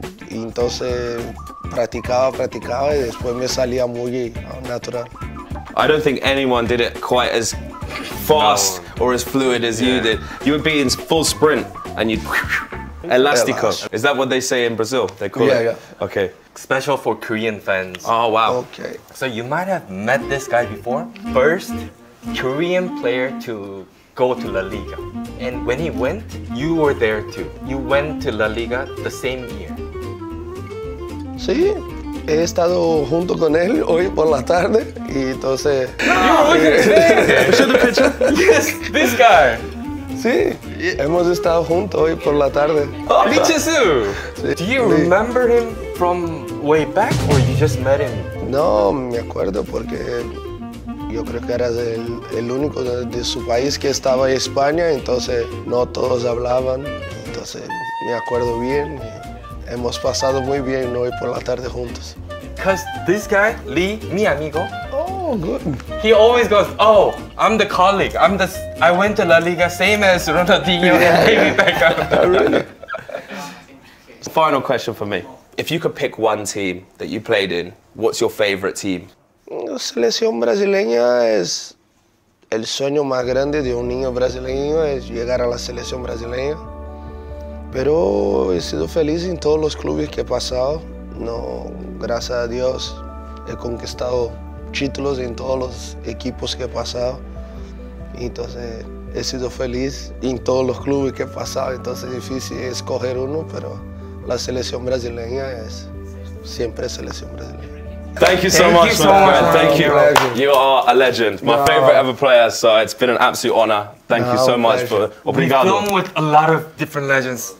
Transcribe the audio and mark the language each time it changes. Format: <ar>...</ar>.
<es>Y entonces practicaba, practicaba y después me salía muy natural.</es> <en>I don't think anyone did it quite as fast or as fluid as you did. You would be in full sprint and you'd elástico. Is that what they say in Brazil? They call yeah, it? Yeah. Okay. Special for Korean fans. Oh, wow. Okay. So you might have met this guy before. First Korean player to go to La Liga. And when he went, you were there too. You went to La Liga the same year.</en> <es>Sí. He estado junto con él hoy por la tarde y entonces...</es> <en>No, you were looking at him! Show the picture. Yes, this guy.</en> <es>Sí, hemos estado junto hoy por la tarde.</es> <en>Me too.</en> <es>Sí.</es> <en>Do you remember him from way back or you just met him?</en> <es>No, me acuerdo porque yo creo que era el único de su país que estaba en España, entonces no todos hablaban, entonces me acuerdo bien. Hemos pasado muy bien hoy por la tarde juntos.</es> <en>Because this guy, Lee,</en> <es>mi amigo.</es> <en>Oh, good. He always goes, oh, I'm the colleague. I went to La Liga same as Ronaldinho and maybe Beckham. Really? Final question for me. If you could pick one team that you played in, what's your favorite team?</en> <es>La selección brasileña es el sueño más grande de un niño brasileño es llegar a la selección brasileña. Pero he sido feliz en todos los clubes que he pasado. No, gracias a Dios he conquistado títulos en todos los equipos que he pasado. Entonces he sido feliz en todos los clubes que he pasado. Entonces es difícil escoger uno, pero la selección brasileña es siempre selección brasileña.</es> <en>Thank you so much, my friend. Thank you. You are a legend. My favorite ever player, so it's been an absolute honor. Thank you so much for</en> <pt>obrigado.</pt> <en>We filmed with a lot of different legends.</en>